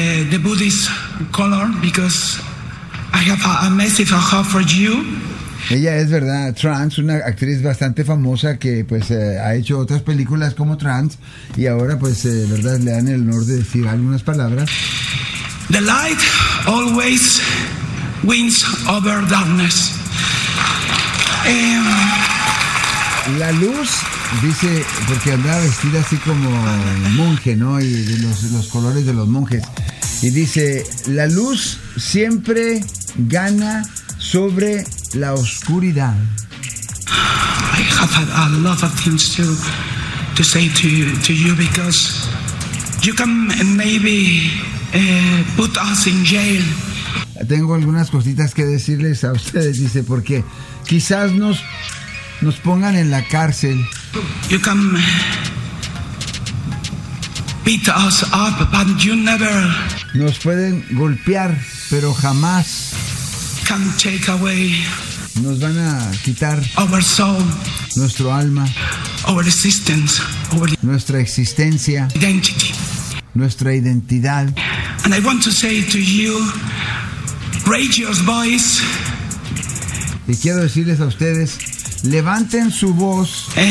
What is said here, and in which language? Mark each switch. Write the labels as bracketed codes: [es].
[en] The Buddhist color, because I have a massive heart for you. [es] Ella es, verdad, trans, una actriz bastante famosa que pues ha hecho otras películas como trans y ahora pues verdad le dan el honor de decir algunas palabras. [en] The light always wins over darkness. [es] La luz, dice, porque andaba vestida así como monje, ¿no? Y los colores de los monjes. Y dice, la luz siempre gana sobre la oscuridad. [en] I have a lot of things to say to you, because you can maybe... put us in jail. [es] Tengo algunas cositas que decirles a ustedes, dice, porque quizás nos pongan en la cárcel. [en] You can beat us up, but you never. [es] Nos pueden golpear, pero jamás. [en] Can take away. [es] Nos van a quitar. [en] Our soul. [es] Nuestro alma. [en] Our existence. [es] Nuestra existencia. [en] Identity. [es] Nuestra identidad. [en] And I want to say to you, raise your voice. [es] Y quiero decirles a ustedes, levanten su voz.